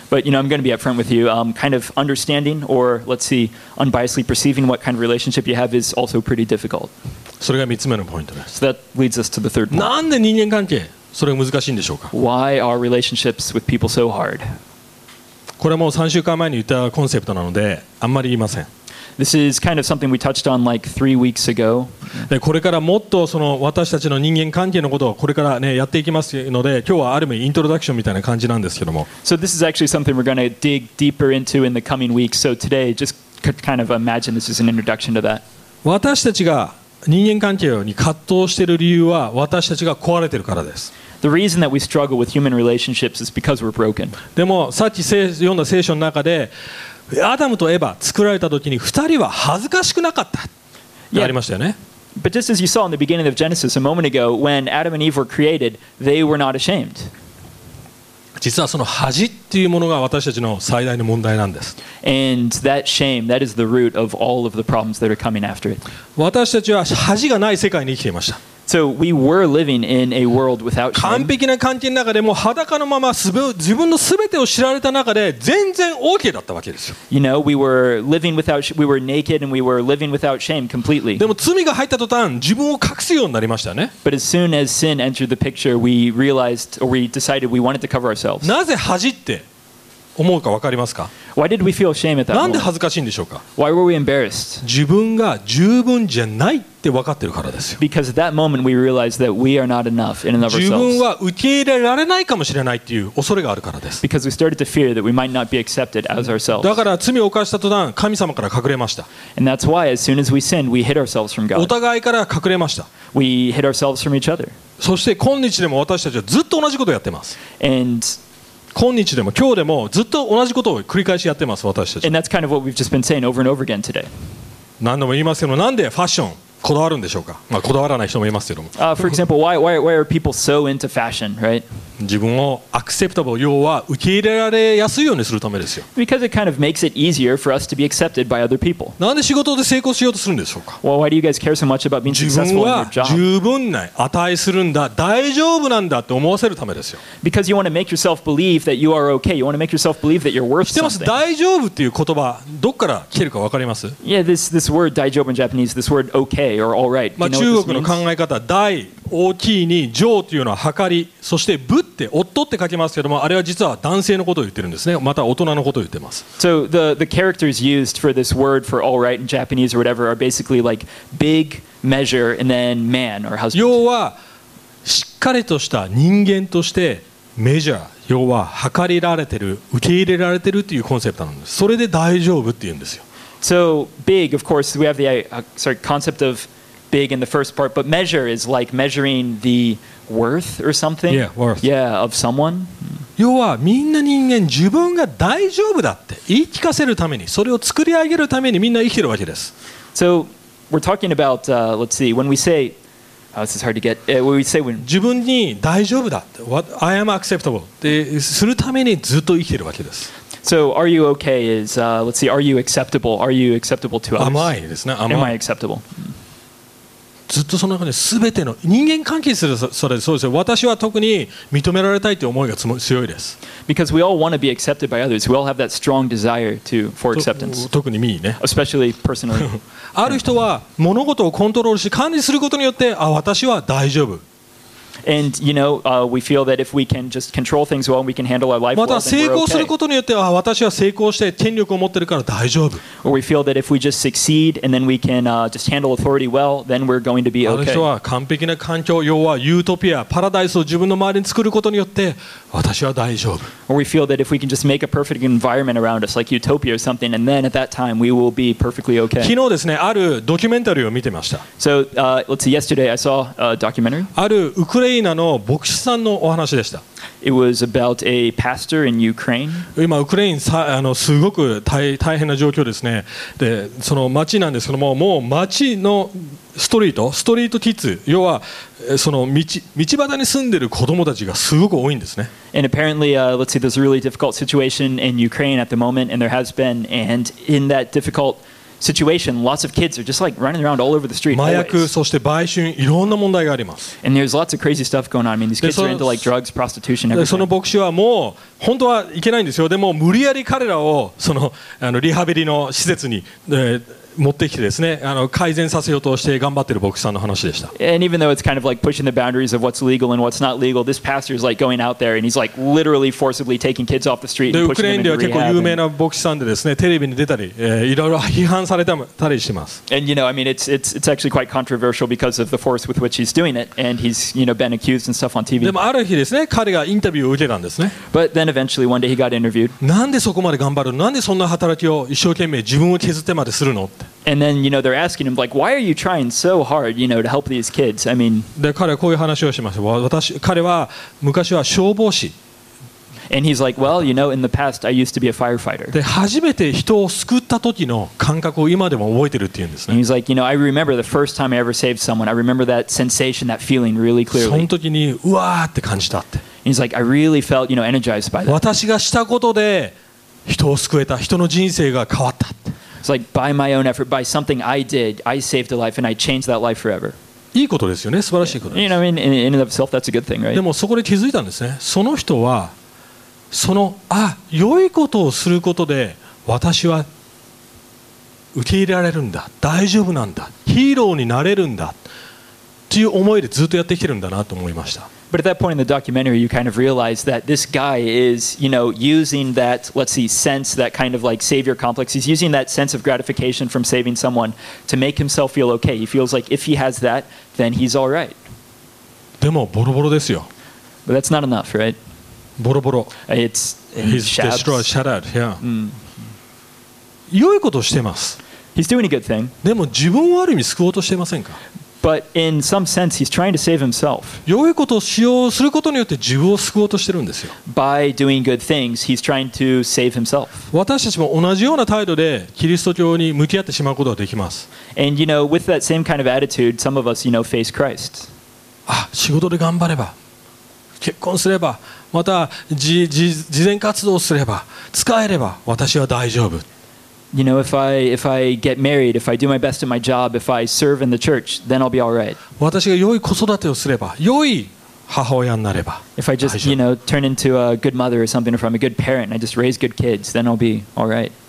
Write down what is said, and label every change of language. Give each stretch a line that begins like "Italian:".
English: But you know, I'm going to be upfront with you. Kind of understanding, or let's see, unbiasedly perceiving what kind of relationship you have is also pretty difficult.
Japanese: それが3つ目のポイントです。
English: So that leads us to the third point.
Japanese: なんで人間関係、それが難しいんでしょうか。
English: Why are relationships with people so hard?
Japanese: これも3週間前に言ったコンセプトなので、あんまり言いません。
English: This is kind of something we touched on like 3 weeks ago.
Japanese: で、これからもっとその私たちの人間関係のことをこれからね、やっていきますので、今日はある意味イントロダクションみたいな感じなんですけども。
English: So this is actually something we're going to dig deeper into in the coming weeks. So today, just kind of imagine this is an introduction to that.
Japanese: 私たちが人間関係に葛藤している理由は私たちが壊れているからです。
English: The reason that we struggle with human relationships is because we're broken.
Japanese: でもさっき読んだ聖書の中で、アダムとエヴァ作られた時に2人は恥ずかしくなかったってありましたよね。
English: But just as you saw in the beginning of Genesis a moment ago, when Adam and Eve were created, they were not ashamed.
Japanese: 実はその恥っていうものが私たちの最大の問題なんです。
English: And that shame, that is the root of all of the problems that are coming after it.
Japanese: 私たちは恥がない世界に生きていました。
English: So we were living in a world without shame.
Japanese: 完璧な関係の中でも裸のまま自分のすべてを知られた中で全然 OK だったわけですよ。
English: You know, we were naked and we were living without shame completely.
Japanese: でも罪が入った途端自分を隠すようになりましたね。
English: But as soon as sin entered the picture, we realized or we decided we wanted to cover ourselves.
Japanese: なぜ恥って思うか分かりますか？
English: Why did we feel shame at that moment?
Japanese: なんで恥ずかしいんでしょうか？
English: Why were we embarrassed?
Japanese: 自分が十分じゃないって分かってるからですよ。
English: Because at that moment we realized that we are not enough in and of ourselves.
Japanese: 自分は受け入れられないかもしれないっていう恐れがあるからです。
English: Because we started to fear that we might not be accepted as ourselves.
Japanese: だから罪を犯した途端神様から隠れました。
English: And that's why as soon as we sinned we hid ourselves from God.
Japanese: お互いから隠れました。
English: We hid ourselves from each other.
Japanese: そして今日でも私たちはずっと同じことをやってます。
English: And
Japanese: 今日でも今日でもずっと同じことを繰り返しやってます私たち。
English: And that's kind of what we've just been saying over and over again today.
Japanese: 何度も言いますけど、なんでファッションこだわるんでしょうか。まあこだわらない人もいますけども。
English: For example, why are people so into fashion, right?
Japanese: 自分をアクセプタブル、要は受け入れられやすいようにするためですよ。
English: Because it kind of makes it easier for us to be accepted by other people.
Japanese: なんで仕事で成功しようとするんでしょうか。
English: Well, why do you guys care so much about being successful in your job?
Japanese: 自分は十分ない、値するんだ、大丈夫なんだって思わせるためですよ。
English: Because you want to make yourself believe that you are okay. You want to make yourself believe that you're worth something.
Japanese: 知ってます？大丈夫っていう言葉、どっから来てるか分かります？
English: Yeah, this word 大丈夫 in Japanese, this word okay. Or all right.
Japanese: まあ中国の考え方、大、大きいに上というのは計り、そして部って夫って書きますけども、あれは実は男性のことを言ってるんですね。また大人のことを言ってます。
English: So the characters used for this word for all right in Japanese or whatever are basically like big, measure, and then man or husband.
Japanese: 要はしっかりとした人間としてメジャー。要は計りられてる、受け入れられてるっていうコンセプトなんです。それで大丈夫って言うんですよ。
English: So big, of course, we have the concept of big in the first part, but measure is like measuring the worth or something. Yeah, worth. Yeah, of someone.
Japanese: 要はみんな人間自分が大丈夫だって言い聞かせるために、それを作り上げるためにみんな生きてるわけです。
English: So we're talking about, let's see, when we say, this is hard to get, when we say when
Japanese: 自分に大丈夫だって、
English: what, I am acceptable
Japanese: ってするためにずっと生きてるわけです。
English: So are you okay is, let's see, are you acceptable? Are you acceptable to us?
Japanese: 甘いですね。甘い。
English: Am I acceptable?
Japanese: ずっとその中で全ての人間関係するそれそうですよ。私は特に認められたいという思いが強いです。
English: Because we all want to be accepted by others. We all have that strong desire for acceptance.
Japanese: 特にみね。
English: Especially personally.
Japanese: ある人は物事をコントロールし管理することによって、あ、私は大丈夫。
English: And you know, we feel that if we can just control things well and we can handle our life well, then we're okay.
Japanese: また成功することによって、私は成功して権力を持ってるから大丈夫。
English: Or we feel that if we just succeed and then we can just handle authority well, then we're going to be okay.
Japanese: ある人は完璧な環境、要はユートピア、パラダイスを自分の周りに作ることによって、私は大丈夫。
English: Or we feel that if we can just make a perfect environment around us, like utopia or something, and then at that time we will be perfectly okay.
Japanese: 昨日ですね、あるドキュメンタリーを見てました。
English: So let's see, yesterday I saw a documentary.
Japanese: あるウクライナの牧師さんのお話でした。
English: It was about a pastor in Ukraine.
Japanese: 今ウクライナすごく大変な状況ですね。で、その町なんですけども、もう町のストリートキッズ、要はその道端に住んでる子供たちがすごく多いんですね。
English: And apparently, let's see, there's a really difficult situation in Ukraine at the moment, and there has been, and in that difficult situation, lots of kids are just like running around all over the street.
Japanese: 麻薬、そして売春、いろんな問題があります。
English: And there's lots of crazy stuff going on. I mean, these kids are into like drugs, prostitution, everything.
Japanese: その牧師はもう本当はいけないんですよ。でも無理やり彼らをその、あの、リハビリの施設に、持ってきてですね、あの、改善させようとして頑張ってる牧師さんの話でした。
English: And even though it's kind of like pushing the boundaries of what's legal and what's not legal, this pastor is like going out there and he's like literally forcibly taking kids off the street and pushing them into rehab.
Japanese: ウクライナでは結構有名な牧師さんでですね、テレビに出たり、いろいろ批判されたりしてます。
English: And you know, I mean, it's actually quite controversial because of the force with which he's doing it, and he's, you know, been accused and stuff on TV.
Japanese: でもある日ですね、彼がインタビューを受けたんですね。
English: But then eventually one day he got interviewed.
Japanese: なんでそこまで頑張るの？なんでそんな働きを一生懸命自分を削ってまでするの？
English: And then, you know, they're asking him, like, why are you trying so hard, you know, to help these kids? I mean...
Japanese: で、彼はこういう話をしました。私、彼は昔は消防士。
English: And he's like, well, you know, in the past, I used to be a firefighter.
Japanese: で、初めて人を救った時の感覚を今でも覚えてるっていうんですね。
English: And he's like, you know, I remember the first time I ever saved someone. I remember that sensation, that feeling really clearly.
Japanese: その時に、うわーって感じたって。
English: And he's like, I really felt, you know, energized by that.
Japanese: 私がしたことで人を救えた。人の人生が変わったって。
English: It's like by my own effort, by something I did, I saved a life and I changed that life forever.
Japanese: いいことですよね。素晴らしいことです。
English: You know, in and of itself, that's a good thing, right?
Japanese: でもそこで気づいたんですね。その人は、その、あ、良いことをすることで私は受け入れられるんだ。大丈夫なんだ。ヒーローになれるんだ。っていう思いでずっとやってきてるんだなと思いました。
English: But at that point in the documentary, you kind of realize that this guy is, you know, using that, let's see, sense, that kind of like savior complex. He's using that sense of gratification from saving someone to make himself feel okay. He feels like if he has that, then he's all right.
Japanese: でもボロボロですよ。
English: But that's not enough, right?
Japanese: ボロボロ。
English: It's he's destroyed, shattered, yeah.
Japanese: 良いことをしてます。
English: He's doing a good thing.
Japanese: でも自分をある意味救おうとしていませんか？
English: But in some sense, he's trying to save himself.
Japanese: 良いことをしようすることによって自分を救おうとしてるんですよ。
English: By doing good things, he's trying to save himself.
Japanese: 私たちも同じような態度でキリスト教に向き合ってしまうことができます。
English: And you know, with that same kind of attitude, some of us, you know, face Christ.
Japanese: あ、仕事で頑張れば、結婚すれば、また慈善活動すれば、使えれば、私は大丈夫。
English: You know, if I get married, if I do my best at my job, if I serve in the church, then I'll be all right.
Japanese: 私が良い子育てをすれば、良い母親になれば、
English: if I just, you know, turn into a good mother or something, if I'm a good parent, and I just raise good kids, then I'll be all right.